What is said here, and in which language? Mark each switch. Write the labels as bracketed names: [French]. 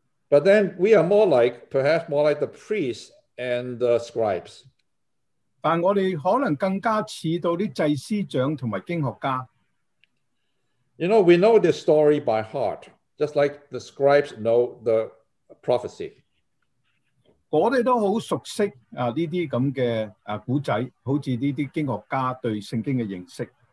[English] But then we are more like, perhaps more like the priests and the scribes. [Chinese] 但我们可能更加似到祭司长和经学家。 [English] You know, we know this story by heart, just like the scribes know the prophecy. [Chinese] 我们都很熟悉这些古仔,好像这些经学家对圣经的认识。